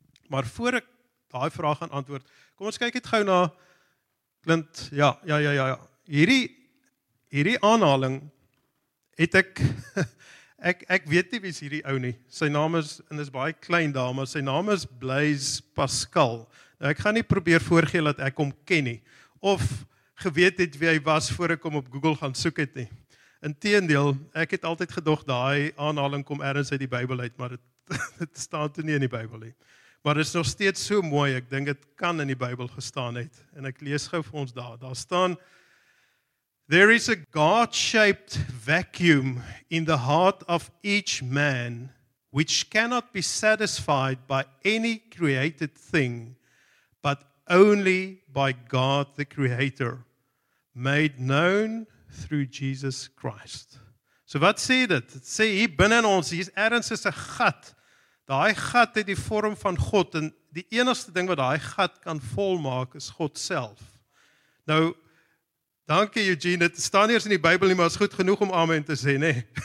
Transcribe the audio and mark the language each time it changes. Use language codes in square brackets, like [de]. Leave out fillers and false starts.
[af] Maar voor ek daai vraag gaan antwoord, kom ons kyk net gou na Clint. Ja. Hierdie aanhaling het ek ek weet nie wie's hierdie ou nie. Sy naam is en is baie klein daar, maar sy naam is Blaise Pascal. Nou ek gaan nie probeer voorgee dat ek hom ken nie of geweet het wie hy was voor ek hom op Google gaan soek het nie. Inteendeel, ek het altyd gedog daai aanhaling kom ergens uit die Bybel uit, maar dit staan toe nie in die Bybel nie. Maar dit is nog steeds so mooi, ek dink dit kan in die Bybel gestaan het. En ek lees gou vir ons daar staan, [en] "There is a God-shaped vacuum in the heart of each man, which cannot be satisfied by any created thing, but only by God the Creator, made known through Jesus Christ." [af] So wat sê dit? Dit sê hier binne in ons, hier is ergens 'n gat. Daai gat het die vorm van God en die enigste ding wat daai gat kan volmaak is God self. Nou, dankie Eugene, dit staan nie eens in die Bybel nie, maar is goed genoeg om amen te sê, nê?